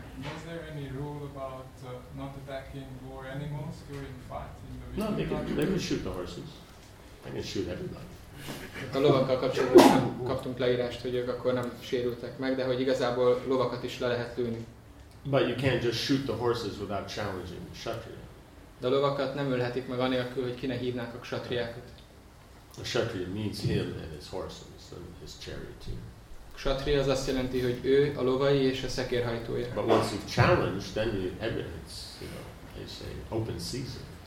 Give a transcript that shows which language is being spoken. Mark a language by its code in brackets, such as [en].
[en] Was there any rule about not attacking war animals during fight in the No, they can shoot the horses. They can shoot everybody. [hu] A lovakkal kapcsolatban kaptunk leírást, hogy ők akkor nem sérültek meg, de hogy igazából lovakat is le lehet lőni. [en] But you can't just shoot the horses without challenging the kshatriya. [hu] De a lovakat nem ölhetik meg anélkül, hogy ki ne hívnák a kshatriákat. [en] A kshatriya means him and his horses and his charioteer. [hu] Kshatriya az azt jelenti, hogy ő a lovai és a szekérhajtója. [en] But once you've challenged, then you have it's, you know, they say open season.